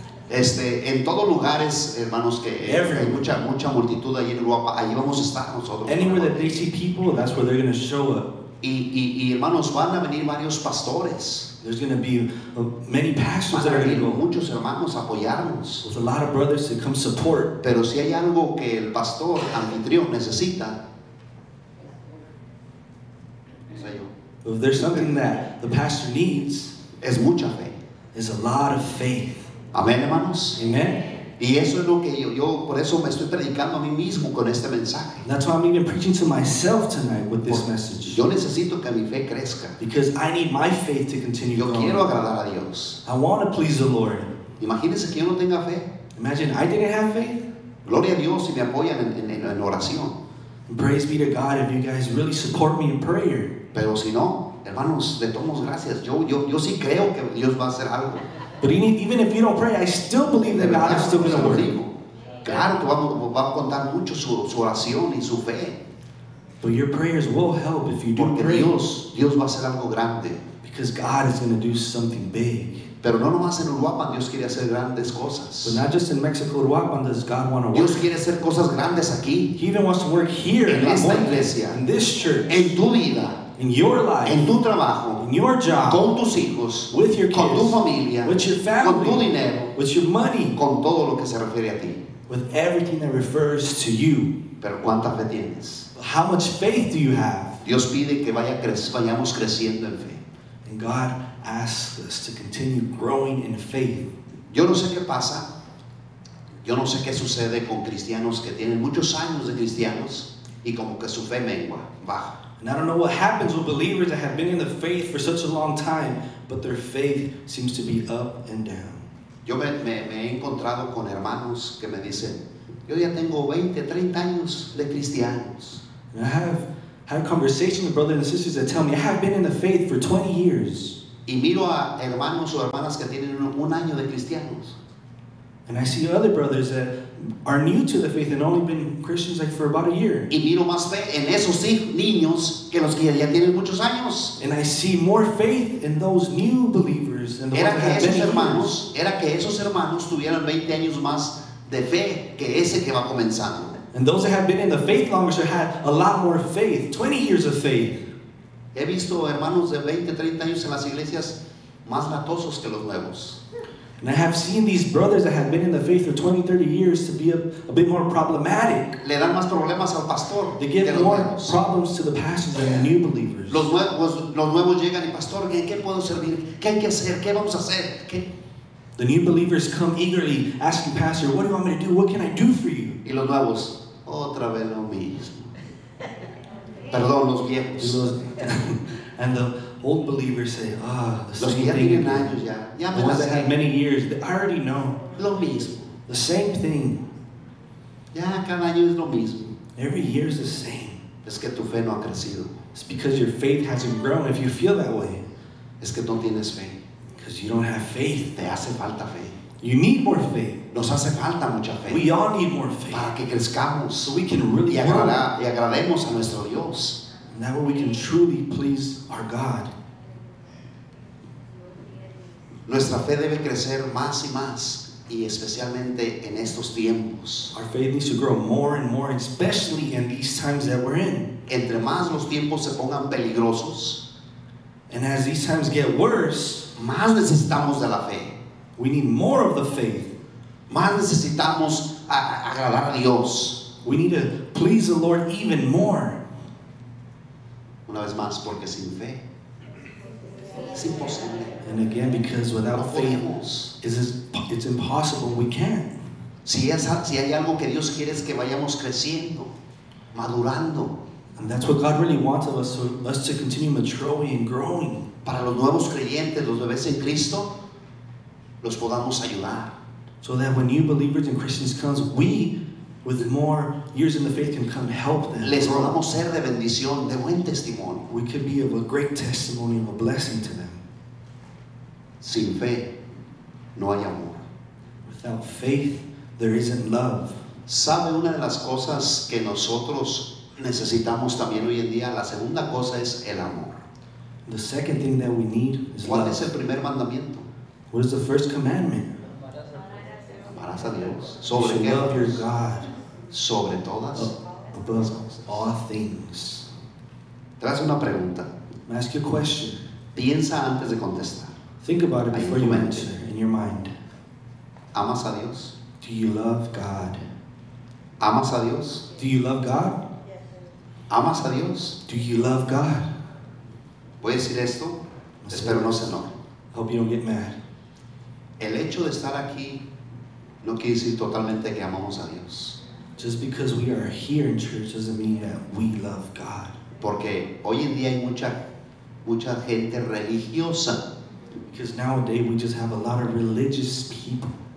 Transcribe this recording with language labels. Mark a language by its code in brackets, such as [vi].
[es] En todos lugares, hermanos, que hay mucha multitud allí en Europa, ahí vamos a estar nosotros. [en] Anywhere that they see people, that's where they're going to show up. [es] Y hermanos, van a venir varios pastores. [en] There's going to be many pastors that are going to go. [es] Muchos hermanos apoyarnos. [en] With a lot of brothers to come support. [es] Pero si hay algo que el pastor anfitrión necesita. [en] If there's something that the pastor needs. [es] Es mucha fe. [en] It's a lot of faith. [es] Amén, hermanos. [en] Amen. [es] Y eso es lo que yo por eso me estoy predicando a mí mismo con este mensaje. [en] That's why I'm even preaching to myself tonight with this message. [es] Yo necesito que mi fe crezca. [en] Because I need my faith to continue growing. [es] Yo quiero agradar a Dios. [en] I want to please the Lord. [es] Imagínese que yo no tenga fe. [en] Imagine I didn't have faith. [es] Gloria a Dios si me apoyan en oración. [en] Praise be to God if you guys really support me in prayer. [es] Pero si no, hermanos, le damos gracias. Yo sí creo que Dios va a hacer algo. [en] But even if you don't pray, I still believe that God is still going to work. [es] Claro que va a contar mucho su oración y su fe. [en] But your prayers will help if you do [es] Porque [en] pray. [es] Dios va a hacer algo grande. [en] Because God is going to do something big. [es] Pero no nomás en Uruapan, Dios quiere hacer grandes cosas. [en] But not just in Mexico, Uruapan, does God want to work. [es] Dios quiere hacer cosas grandes aquí. [en] He even wants to work here [es] en esta iglesia. [en] In this church. [es] En tu vida. [en] In your life, [es] en tu trabajo, [en] in your job, [es] con tus hijos, [en] with your kids, [es] con tu familia, [en] with your family, [es] con tu dinero, [en] with your money, [es] con todo lo que se refiere a ti, [en] with everything that refers to you. [es] Pero ¿cuánta fe tienes? [en] How much faith do you have? [es] Dios pide que vayamos creciendo en fe. [en] And God asks us to continue growing in faith. [es] Yo no sé qué pasa. Yo no sé qué sucede con cristianos que tienen muchos años de cristianos y como que su fe mengua, baja. [en] And I don't know what happens with believers that have been in the faith for such a long time, but their faith seems to be up and down. [es] Yo me he encontrado con hermanos que me dicen, yo ya tengo 20, 30 años de cristianos. [en] And I have had conversations with brothers and sisters that tell me, I have been in the faith for 20 years. [es] Y miro a hermanos o hermanas que tienen un año de cristianos. [en] And I see other brothers that are new to the faith and only been Christians like for about a year. [es] Y miro más fe en esos niños que los que ya tienen muchos años. [en] And I see more faith in those new believers than the [es] era [en] ones that have [es] esos [en] been [es] hermanos, [en] years. [es] Era que esos hermanos tuvieran 20 años más de fe que ese que va comenzando. [en] And those that have been in the faith longer should have a lot more faith, 20 years of faith. [es] He visto hermanos de 20, 30 años en las iglesias más latosos que los nuevos. [en] And I have seen these brothers that have been in the faith for 20, 30 years to be a bit more problematic. [es] Le dan más problemas al pastor. [en] They give more problems to the pastors than the new believers. [es] Los nuevos llegan y pastor, ¿qué puedo servir? ¿Qué hay que hacer? ¿Qué vamos a hacer? ¿Qué? [en] The new believers come eagerly asking pastor, what do you want me to do? What can I do for you? [es] Y los nuevos, otra vez lo mismo. Perdón, los viejos. [en] And the old believers say, ah, [es] los que ya [en] thing [es] tienen años ya. Ya [en] the ones that have many years, I already know. [es] Lo mismo. [en] The same thing. [es] Ya cada año es lo mismo. [en] Every year is the same. [es] Es que tu fe no ha crecido. [en] It's because your faith hasn't grown if you feel that way. [es] Es que no tienes fe. [en] Because you don't have faith. [es] Te hace falta fe. [en] You need more faith. [es] Nos hace falta mucha fe. [en] We all need more faith. [es] Para que crezcamos. [en] So we can really [es] y agrademos a nuestro Dios. [en] And that way we can truly please our God. [es] Nuestra fe debe crecer más y más, y especialmente en estos tiempos. [en] Our faith needs to grow more and more, especially in these times that we're in. [es] Entre más los tiempos se pongan peligrosos, [en] and as these times get worse, [es] más necesitamos de la fe. [en] We need more of the faith. [es] Más necesitamos agradar a Dios. [en] We need to please the Lord even more. [es] Una vez más, porque sin fe es imposible. [en] And again, because without faith, it's impossible. We can't. [es] Si hay algo que Dios quiere es que vayamos creciendo, madurando. [en] And that's what God really wants of us, so us to continue maturing and growing. [es] Para los nuevos creyentes, los bebés en Cristo, los podamos ayudar. [en] So that when new believers and Christians come, we, with more years in the faith, can come help them. [es] Les rogamos ser de bendición, de buen testimonio. [en] We could be of a great testimony, of a blessing to them. [es] Sin fe, no hay amor. [en] Without faith, there isn't love. [es] ¿Sabe una de las cosas que nosotros necesitamos también hoy en día? La segunda cosa es el amor. [en] The second thing that we need is [es] ¿Cuál [en] love. [es] Es el primer mandamiento? [en] What is the first commandment? [es] Amarás a Dios. ¿Sobre qué? [en] You should love your God. [es] ¿Sobre todas? [en] Above all things. [es] Te hago una pregunta. [en] I ask you a question. [es] Piensa antes de contestar. [en] Think about it before you answer in your mind. [es] ¿Amas a Dios? [en] Do you love God? [es] ¿Amas a Dios? [en] Do you love God? [es] ¿Amas a Dios? [en] Do you love God? [es] Voy a decir esto. Espero no se enoje. [en] Hope you don't get mad. [es] El hecho de estar aquí no quiere decir totalmente que amamos a Dios. [en] Just because we are here in church doesn't mean that we love God. [es] Porque hoy en día hay mucha gente religiosa. [en] Because nowadays we just have a lot of religious people.